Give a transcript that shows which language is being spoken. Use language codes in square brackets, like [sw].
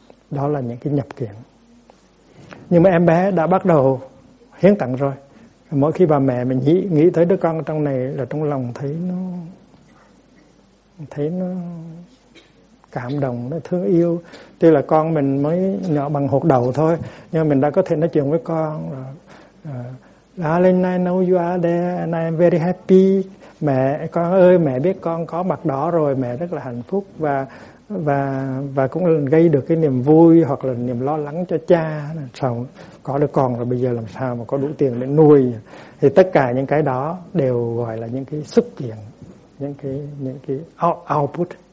[vi] Đó là những cái nhập kiện. Nhưng mà em bé đã bắt đầu hiến tặng rồi. Mỗi khi bà mẹ mình nghĩ tới đứa con trong này là trong lòng thấy nó cảm động, nó thương yêu. Tuy là con mình mới nhỏ bằng hột đậu thôi, nhưng mà mình đã có thể nói chuyện với con. [en] Darling, I know you are there and I am very happy. [vi] Mẹ, con ơi, mẹ biết con có mặt đỏ rồi, mẹ rất là hạnh phúc và cũng gây được cái niềm vui hoặc là niềm lo lắng cho cha. Sao có được con rồi, bây giờ làm sao mà có đủ tiền để nuôi. Thì tất cả những cái đó đều gọi là những cái xuất hiện, những cái output.